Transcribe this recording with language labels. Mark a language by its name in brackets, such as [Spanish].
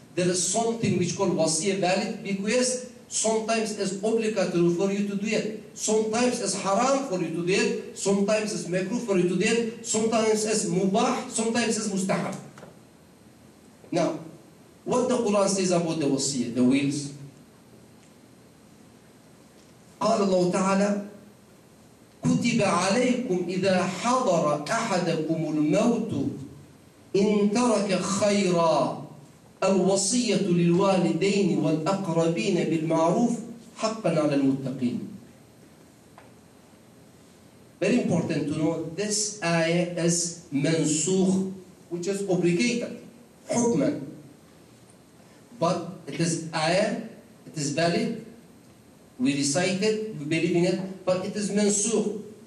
[English] There is something which called wasi valid because sometimes it's obligatory for you to do it, sometimes it's haram for you to do it, sometimes it's makruh for you to do it, sometimes it's mubah, sometimes it's mustahab. Now, what the Quran says about the wasi, the wills? [Arabic] قال الله تعالى كتب عليكم إذا حضر أحدكم الموت إن ترك خيرا الوصية للوالدين والأقربين بالمعروف حقا على المتقين. [English] Very important to know this ayah is منسوخ, which is obligated حكما, but it is ayah, it is valid. We recite it, we believe in it, but it is mansukh.